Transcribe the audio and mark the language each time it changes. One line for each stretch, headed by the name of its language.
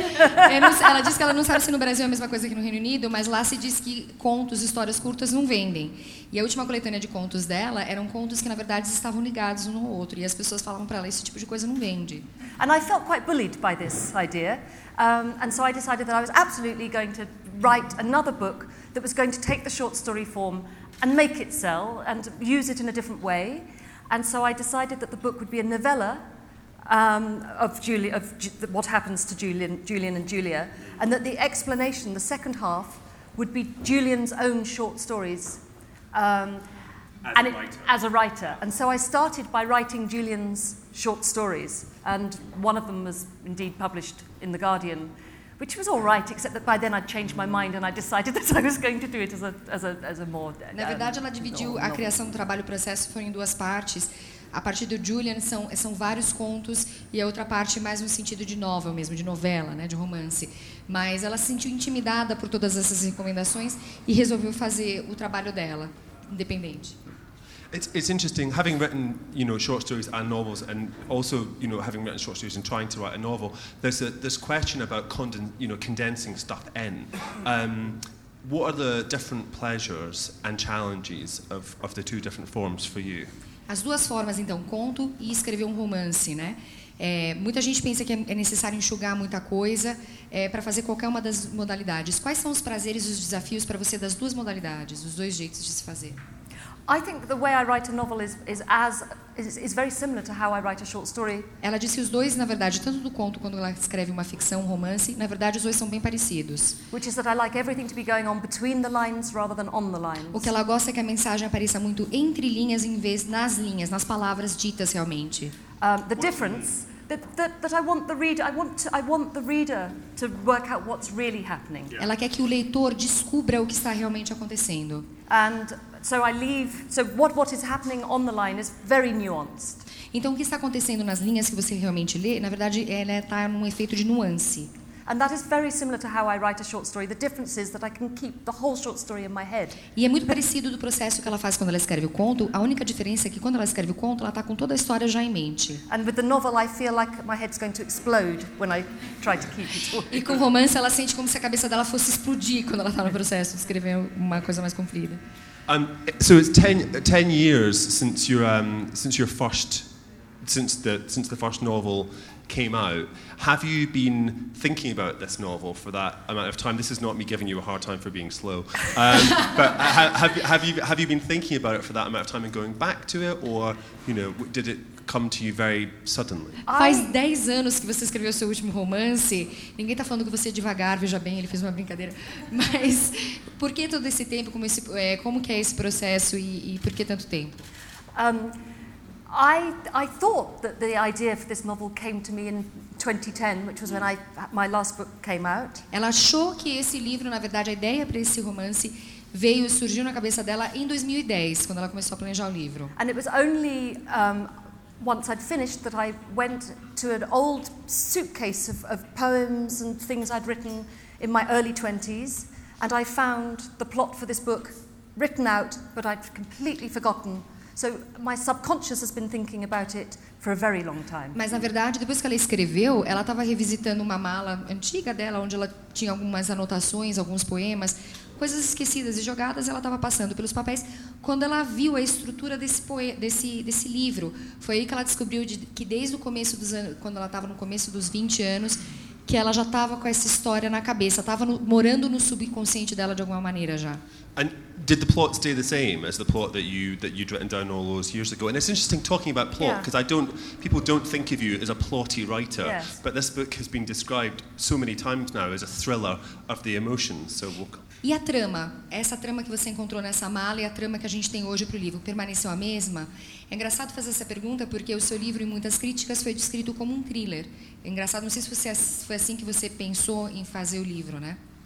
Portuguese: Ela diz que ela não sabe se no Brasil é a mesma coisa que no Reino Unido, mas lá se diz que contos, histórias curtas não vendem. E a última coletânea de contos dela eram contos que na verdade estavam ligados um no outro e as pessoas falavam para ela esse tipo de coisa não vende.
English: And I felt quite bullied by this idea. And so I decided that I was absolutely going to write another book that was going to take the short story form and make it sell and use it in a different way. And so I decided that the book would be a novella. What happens to Julian and Julia, and that the explanation, the second half, would be Julian's own short stories as a writer. And so I started by writing Julian's short stories, and one of them was indeed published in The Guardian, which was all right, except that by then I'd changed my mind and I decided that I was going to do it as a more...
Portuguese: Na verdade, ela dividiu a criação do trabalho, o processo, foi em duas partes. A parte do Julian são vários contos e a outra parte mais no sentido de novel mesmo, de novela, né, de romance. Mas ela se sentiu intimidada por todas essas recomendações e resolveu fazer o trabalho dela, independente.
English: It's interesting, having written, you know, short stories and novels, and also, you know, having written short stories and trying to write a novel, there's this question about condensing stuff in. What are the different pleasures and challenges of the two different forms for you?
Portuguese: As duas formas, então, conto e escrever um romance, né? Muita gente pensa que é necessário enxugar muita coisa para fazer qualquer uma das modalidades. Quais são os prazeres e os desafios para você das duas modalidades, os dois jeitos de se fazer?
English: I think the way I write a novel is very similar to how I write a short story.
Portuguese: Ela disse os dois, na verdade, tanto do conto quando ela escreve uma ficção, um romance, na verdade os dois são bem parecidos.
English: Which is that I like everything to be going on between the lines rather than on the lines.
Portuguese: O que ela gosta é que a mensagem apareça muito entre linhas em vez nas linhas, nas palavras ditas realmente.
English: The difference that I want the reader to work out what's really happening. Yeah.
Portuguese: Ela quer que o leitor descubra o que está realmente acontecendo.
English: And so I leave. So what is happening on the line is very nuanced.
Portuguese: Então o que está acontecendo nas linhas que você realmente lê, na verdade, ela está num efeito de nuance.
English: And that is very similar to how I write a short story. The difference is that I can keep the whole short story in my head.
Portuguese: E é muito parecido do processo que ela faz quando ela escreve o conto. A única diferença é que quando ela escreve o conto, ela está com toda a história já em mente.
English: And with the novel, I feel like my head's going to explode when I try to keep it all.
Portuguese: E com o romance, ela sente como se a cabeça dela fosse explodir quando ela está no processo de escrever uma coisa mais comprida.
English: So it's 10 years since the first novel came out. Have you been thinking about this novel for that amount of time? This is not me giving you a hard time for being slow. but have you been thinking about it for that amount of time and going back to it, or you know, did it come to you very suddenly?
Portuguese: Faz 10 anos que você escreveu seu último romance. Ninguém está falando que você é devagar, veja bem, ele fez uma brincadeira. Mas por que todo esse tempo, como que é esse processo e por que tanto tempo?
English: I thought that the idea for this novel came to me in 2010, which was when my last book came out.
Portuguese: Ela achou que esse livro, na verdade, a ideia para esse romance veio e surgiu na cabeça dela em 2010, quando ela começou a planejar o livro.
English: And it was only once I'd finished that I went to an old suitcase of poems and things I'd written in my early 20s, and I found the plot for this book written out, but I'd completely forgotten. So my subconscious has been thinking about it for a very long time.
Portuguese: Mas na verdade, depois que ela escreveu, ela estava revisitando uma mala antiga dela, onde ela tinha algumas anotações, alguns poemas, coisas esquecidas e jogadas, ela estava passando pelos papéis quando ela viu a estrutura desse livro. Foi aí que ela descobriu que desde o começo dos anos, quando ela estava no começo dos 20 anos, que ela já estava com essa história na cabeça, estava morando no subconsciente dela de alguma maneira já.
English: And did the plot stay the same as the plot that you'd written down all those years ago? And it's interesting talking about plot, because people don't think of you as a plotty writer. Yes. But this book has been described so many times now as a thriller of the emotions. So we'll...
Portuguese: E a trama? Essa trama que você encontrou nessa mala e a trama que a gente tem hoje para o livro, permaneceu a mesma? É engraçado fazer essa pergunta porque o seu livro, em muitas críticas, foi descrito como um thriller. É engraçado, não sei se foi assim que você pensou em fazer o livro, né?